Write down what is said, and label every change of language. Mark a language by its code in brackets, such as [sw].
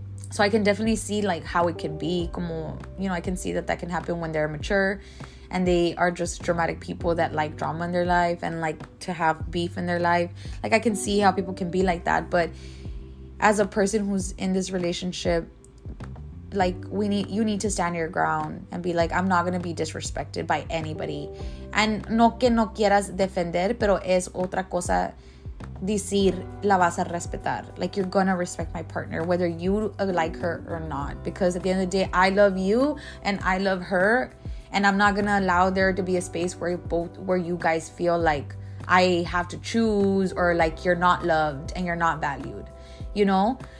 [en] So I can definitely see like how it could be, como, you know, I can see that can happen when they're mature and they are just dramatic people that like drama in their life and like to have beef in their life. Like, I can see how people can be like that. But as a person who's in this relationship, like, we need, you need to stand your ground and be like, I'm not going to be disrespected by anybody. [es] And no que no quieras defender, pero es otra cosa decir, la vas a respetar. [en] Like, you're going to respect my partner, whether you like her or not. Because at the end of the day, I love you and I love her. And I'm not going to allow there to be a space where both, where you guys feel like I have to choose, or like you're not loved and you're not valued, you know?